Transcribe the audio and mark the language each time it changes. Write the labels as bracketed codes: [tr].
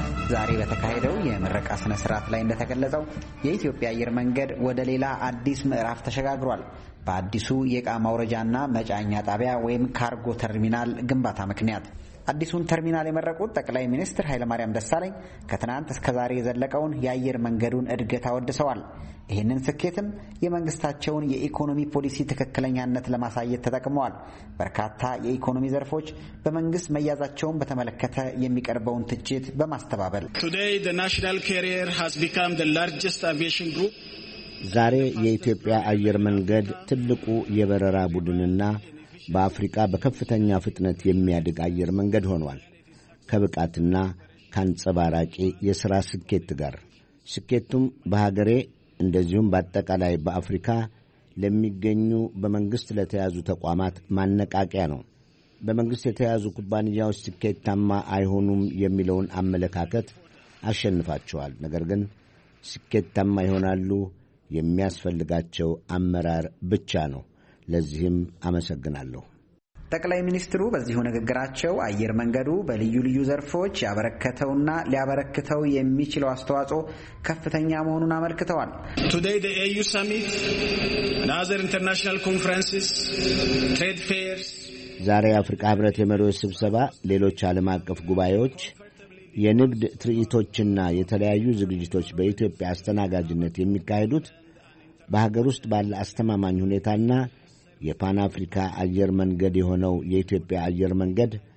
[am] ዛሬ በተካሄደው የምረቃ ስነ ስርዓት ላይ እንደተገለጸው የኢትዮጵያ አየር መንገድ ወደ ሌላ አዲስ ምዕራፍ ተሸጋግሯል። በአዲሱ የእቃ ማውረጃና መጫኛ ጣቢያ ወይም ካርጎ ተርሚናል ግንባታ ምክንያት አዲሱን ተርሚናል የመረቁት ጠቅላይ ሚኒስትር ኃይለማርያም ደሳለኝ ከትናንት እስከ ዛሬ የዘለቀውን የአየር መንገዱን እድገት አወድሰዋል። ይህንን ስኬትም የመንግስታቸውን የኢኮኖሚ ፖሊሲ ትክክለኛነት ለማሳየት ተጠቅመዋል። በርካታ የኢኮኖሚ ዘርፎች በመንግስት መያዛቸውን በተመለከተ የሚቀርበውን ትችት በማስተባበል [en] Today the national carrier has become the largest aviation group. [am] ዛሬ የኢትዮጵያ አየር መንገድ ትልቁ የበረራ ቡድንና በአፍሪቃ በከፍተኛ ፍጥነት የሚያድግ አየር መንገድ ሆኗል። ከብቃትና ከአንጸባራቂ የሥራ ስኬት ጋር ስኬቱም በሀገሬ እንደዚሁም በአጠቃላይ በአፍሪካ ለሚገኙ በመንግሥት ለተያዙ ተቋማት ማነቃቂያ ነው። በመንግሥት የተያዙ ኩባንያዎች ስኬታማ አይሆኑም የሚለውን አመለካከት አሸንፋቸዋል። ነገር ግን ስኬታማ ይሆናሉ፣ የሚያስፈልጋቸው አመራር ብቻ ነው። ለዚህም አመሰግናለሁ። ጠቅላይ ሚኒስትሩ በዚሁ ንግግራቸው አየር መንገዱ በልዩ ልዩ ዘርፎች ያበረከተውና ሊያበረክተው የሚችለው አስተዋጽኦ ከፍተኛ መሆኑን አመልክተዋል። [en] Today the AU summit and other international conferences, trade fairs. [am] ዛሬ የአፍሪካ ህብረት የመሪዎች ስብሰባ፣ ሌሎች ዓለም አቀፍ ጉባኤዎች፣ የንግድ ትርኢቶችና የተለያዩ ዝግጅቶች በኢትዮጵያ አስተናጋጅነት የሚካሄዱት በሀገር ውስጥ ባለ አስተማማኝ ሁኔታና የፓን አፍሪካ አየር መንገድ የሆነው የኢትዮጵያ አየር መንገድ